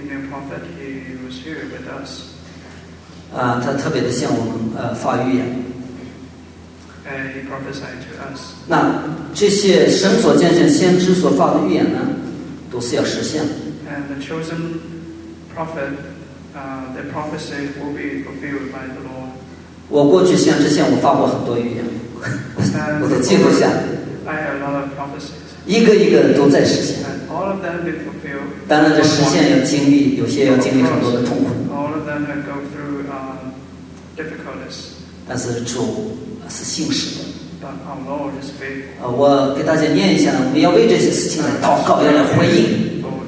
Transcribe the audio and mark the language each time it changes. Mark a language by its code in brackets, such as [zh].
[en] Prophet, he was here with us. [zh] 他特别的向我们发预言。 [en] prophesied to us. [zh] 那这些神所拣选先知所发的预言呢，都是要实现的。 [en] And the chosen prophet, the prophecy will be fulfilled by the Lord. [zh] 我过去先知线我发过很多预言，我都记录下。 [en] I have a lot of prophecies. [zh] 一个一个都在实现。 [en] And all of them have been fulfilled. [zh] 当然，这实现要经历，有些要经历很多的痛苦。 [en] All of them have gone through difficulties. [zh] 但是主是信实的。 [en] But our Lord is [zh] 我给大家念一下，我们要为这些事情来祷告，要来回应。